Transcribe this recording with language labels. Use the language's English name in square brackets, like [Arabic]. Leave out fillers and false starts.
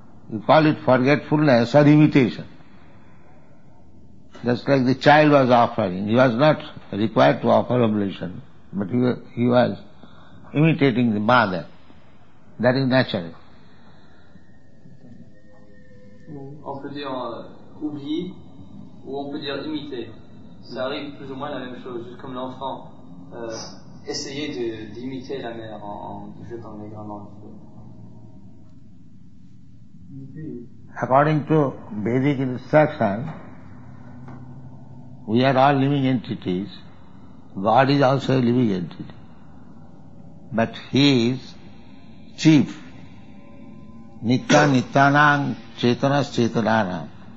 [English] You call it forgetfulness or imitation. Just like the child was offering. He was not required to offer oblation, but he was imitating the mother. That is natural. [French] On peut dire oublier ou on peut dire imiter. Ça arrive plus ou moins la même chose, juste comme l'enfant essayer d'imiter la mère en jetant les grains dans le feu. [English] According to basic instruction, we are all living entities. God is also a living entity. But he is chief. [Sanskrit] Nitya nityanam chetanas chetananam.